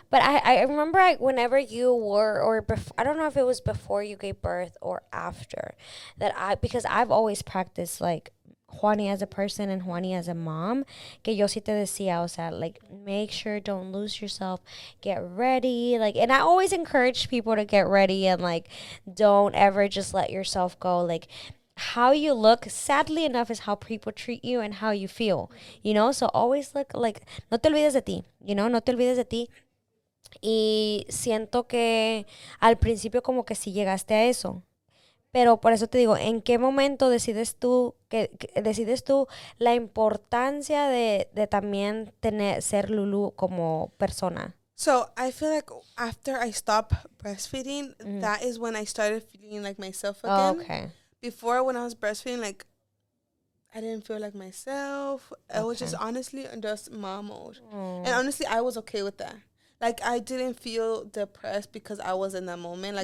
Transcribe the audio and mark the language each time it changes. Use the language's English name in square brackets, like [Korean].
[English] But I remember whenever you were, I don't know if it was before you gave birth or after, that because I've always practiced, like, Juani as a person and Juani as a mom, [Spanish] que yo sí te decía, o sea, [English] like, make sure, don't lose yourself, get ready, like, and I always encourage people to get ready and, like, don't ever just let yourself go, like, how you look, sadly enough, is how people treat you and how you feel, you know, so always look, like, [Spanish] no te olvides de ti, [English] you know, no te olvides de ti. [Spanish] Y siento que al principio como que sí llegaste a eso. Pero por eso te digo, ¿en qué momento decides tú que decides tú la importancia de también tener ser Lulu como persona? [English] So, I feel like after I stopped breastfeeding, that is when I started feeling like myself again. Okay. Before, when I was breastfeeding, like, I didn't feel like myself. I was just honestly just mom mode. And honestly, I was okay with that. Like, I didn't feel depressed because I was in that moment.